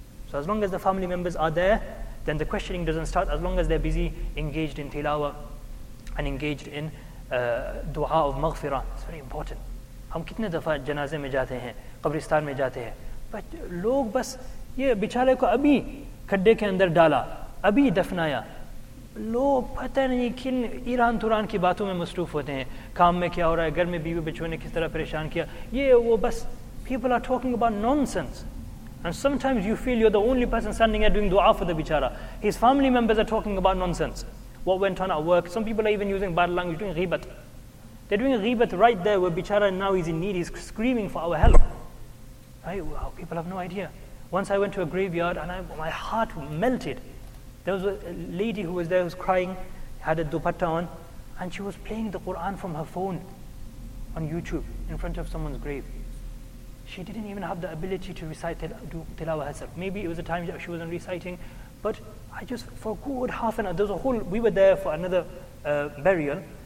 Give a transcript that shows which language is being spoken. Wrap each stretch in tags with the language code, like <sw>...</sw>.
<en>So as long as the family members are there, then the questioning doesn't start, as long as they're busy engaged in tilawah and engaged in dua of maghfirah. It's very important. How many times do we go to the janazah, the qabristan? But people just put this person in the khadde,</en> <ur>dala, abhi dafnaya. لوگ پتہ نہیں کن ایران توران کی باتوں میں مصروف ہوتے ہیں, کام میں کیا ہو رہا ہے, گھر میں بیوی بچوں نے کس طرح پریشان کیا, یہ وہ بس.</ur> <en>People are talking about nonsense, and sometimes you feel you are the only person standing doing دعا for the بیچارہ, his family members are talking about nonsense, what went on our work. Some people are even using bad language doing غیبت, they doing غیبت right there where بیچارہ now is in need, his screaming for our help. Right, people have no idea. Once I went to a graveyard and my heart melted. There was a lady who was there who was crying, had a dupatta on, and she was playing the Quran from her phone on YouTube in front of someone's grave. She didn't even have the ability to recite tilawah herself. Maybe it was a time she wasn't reciting, but I just, for a good half an hour, there was a whole, we were there for another burial.</en>